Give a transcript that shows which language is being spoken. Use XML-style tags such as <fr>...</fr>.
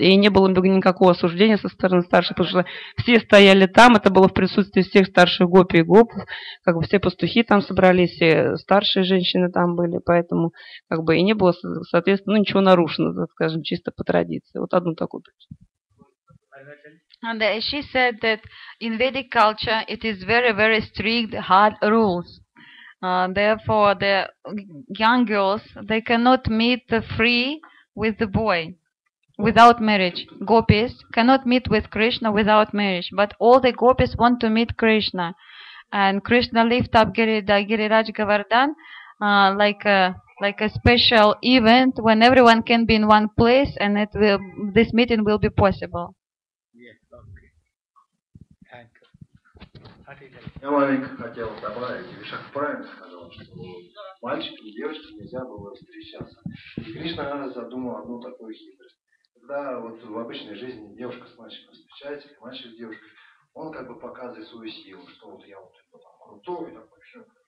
<ru>И не было бы никакого осуждения со стороны старших, потому что все стояли там, это было в присутствии всех старших гопи и гопов. Как бы все пастухи там собрались, все старшие женщины там были. Поэтому как бы и не было, соответственно, ничего нарушено, скажем, чисто по традиции. Вот одну такую.</ru> <en>And she said that in Vedic culture it is very, very strict, hard rules. Therefore, the young girls, they cannot meet free with the boy without marriage. Gopis cannot meet with Krishna without marriage. But all the gopis want to meet Krishna. And Krishna lift up Giriraj Govardhan like a like a special event when everyone can be in one place and it will, this meeting will be possible.</en> <ru>Я маленько хотел добавить, Вишак правильно сказал, что мальчикам и девочкам нельзя было встречаться. И Кришна задумал одну такую хитрость. Когда вот в обычной жизни девушка с мальчиком встречается, или мальчик с девушкой, он как бы показывает свою силу, что вот я вот это там крутой, такой все.</ru>